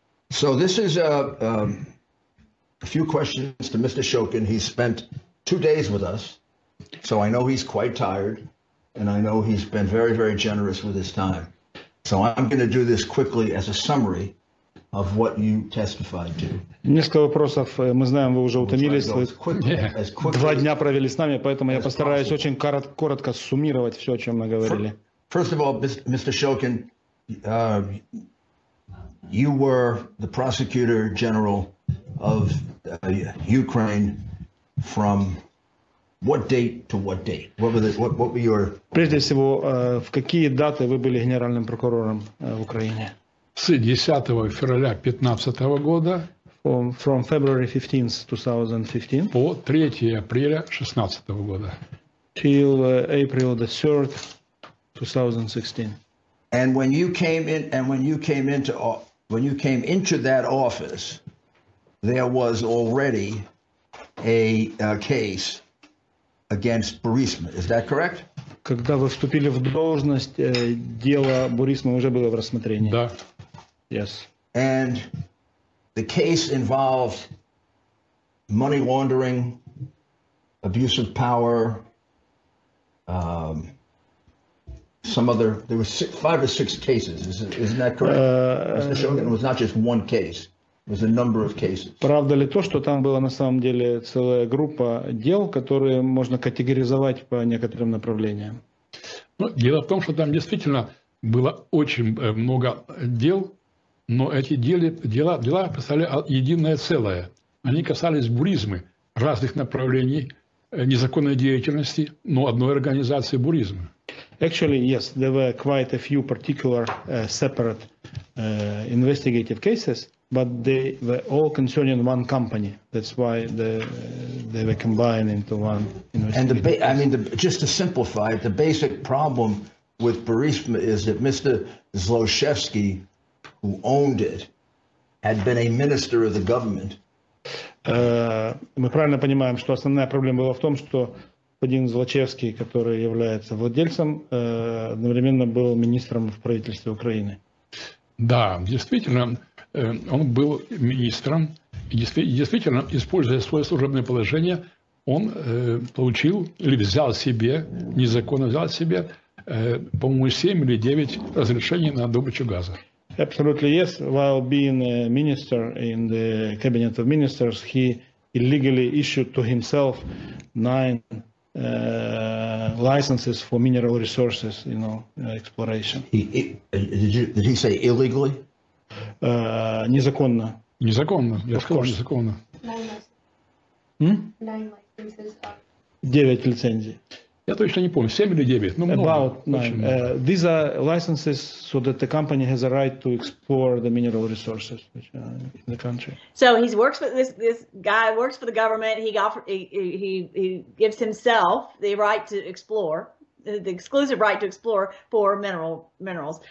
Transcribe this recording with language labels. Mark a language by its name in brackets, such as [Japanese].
[English] So this is a few questions to Mr. Shokin. He spent 2 days with us, so I know he's quite tired, and I know he's been very, very generous with his time. So I'm going to do this quickly as a summary of what you testified to. [Russian] Несколько вопросов мы знаем, вы уже утомились. Два дня провели с нами, поэтому я постараюсь очень коротко суммировать все, о чем мы говорили. [English] First of all, Mr. Shokin, you were the prosecutor general of Ukraine from what date to what date? What were your... [Russian] Прежде всего, в какие даты вы были генеральным прокурором в Украине? С 10 февраля 15 года. [English] From February 15th, 2015. [Russian] По 3 апреля 16 года. [English] Till April the 3rd, 2016. And when you came in, when you came into that office, there was already a case against Burisma, is that correct? [Russian] Когда вы вступили в должность, дело Бурисмы уже было в рассмотрении. Да. [English] Yes. And the case involved money laundering, abuse of power, some other, there were five or six cases, isn't that correct? Mr. Shokin, it was not just one case. Was a number of cases. [Russian] Правда ли то, что там была на самом деле целая группа дел, которые можно категоризовать по некоторым направлениям? Ну, дело в том, что там действительно было очень много дел, но эти дела представляли единое целое. Они касались Бурисмы, разных направлений незаконной деятельности, но одной организации Бурисмы. [English] Actually, yes, there were quite a few particular separate investigative cases, but they were all concerning one company. That's why they were combined into one investigative case. And the just to simplify it, the basic problem with Burisma is that Mr. Zloshevsky, who owned it, had been a minister of the government. [Russian] Мы правильно понимаем, что основная проблема была в том, что господин Злочевский, который является владельцем, одновременно был министром в правительстве Украины. Да, действительно, он был министром. Действительно, используя свое служебное положение, он получил или взял себе, незаконно взял себе, по-моему, 7 или 9 разрешений на добычу газа. [English] Absolutely yes. While being a minister in the cabinet of ministers, he illegally issued to himself 9 licenses for mineral resources, you know, exploration. Did he say illegally? [Russian] Незаконно. Незаконно. Я сказал незаконно. [English] 9 licenses. [Russian] 9 лицензий. Я точно не помню, 7 или 9, но много. [English] About 9. These are licenses so that the company has a right to explore the mineral resources which are in the country. So he works for this guy works for the government. He gives himself the right to explore, the exclusive right to explore for minerals.